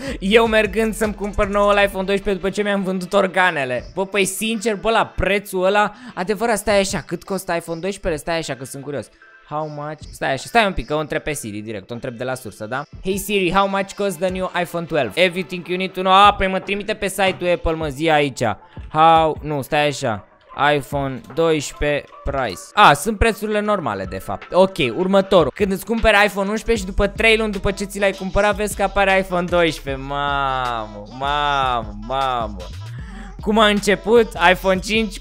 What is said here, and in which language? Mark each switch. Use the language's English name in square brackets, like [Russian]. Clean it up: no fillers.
[Romanian] Eu mergând să-mi cumpăr noul iPhone 12 după ce mi-am vândut organele. Bă, păi sincer, bă, la prețul ăla, adevărat, stai așa, cât costă iPhone 12? Stai așa, că sunt curios. [English] How much? [Romanian] Stai așa, stai un pic, că o întreb pe Siri direct, o întreb de la sursă, da? [English] Hey Siri, how much costs the new iPhone 12? Everything you need to know. [Romanian] Ah, păi mă trimite pe site-ul Apple, mă, zi aici. How, nu, stai așa. iPhone 12 price. Ah, sunt prețurile normale de fapt. Ok, următorul. Când îți cumperi iPhone 11 și după 3 luni după ce ți l-ai cumpărat, vezi că apare iPhone 12. Mamă. Cum a început? iPhone 5?